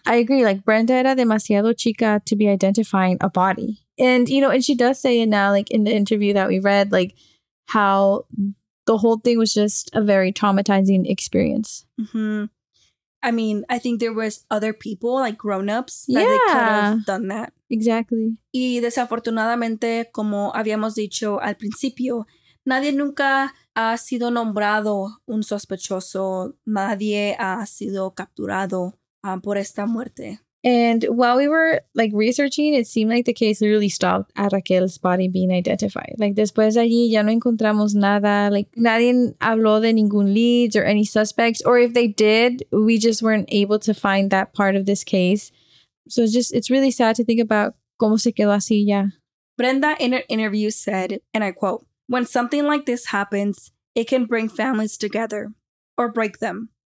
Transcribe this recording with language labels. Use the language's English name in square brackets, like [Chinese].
[English] I agree. Like, [Spanish] Brenda era demasiado chica [English] to be identifying a body. And, you know, and she does say it now, like, in the interview that we read, like, how the whole thing was just a very traumatizing experience. Mm-hmm. I mean, I think there was other people, like, grown-ups, that yeah. they could have done that. Exactly. [Spanish] Y desafortunadamente, como habíamos dicho al principio, nadie nunca... ha sido nombrado un sospechoso. Nadie ha sido capturado por esta muerte. [English] And while we were like researching, it seemed like the case literally stopped at Raquel's body being identified. [Spanish] Like después de allí ya no encontramos nada. Like nadie habló de ningún [English] leads or any suspects. Or if they did, we just weren't able to find that part of this case. So it's really sad to think about [Spanish] cómo se quedó así ya. [English] Brenda in an interview said, and I quote, "When something like this happens, it can bring families together or break them.